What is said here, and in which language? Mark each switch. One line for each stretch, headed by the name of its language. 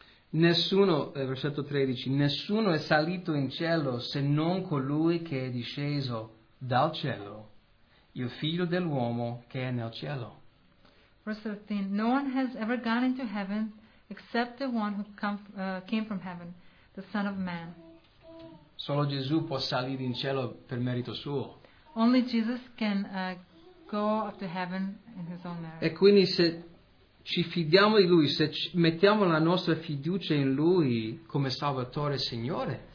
Italian: Nessuno, versetto 13, nessuno è salito in cielo se non colui che è disceso dal cielo, il figlio dell'uomo che è nel cielo.
English: Verse 13, no one has ever gone into heaven except the one who came from heaven, the Son of Man.
Italian: Solo Gesù può salire in cielo per merito suo.
English: Only Jesus can go up to heaven in his own merit.
Italian: E quindi se ci fidiamo di Lui, se mettiamo la nostra fiducia in Lui come Salvatore e Signore.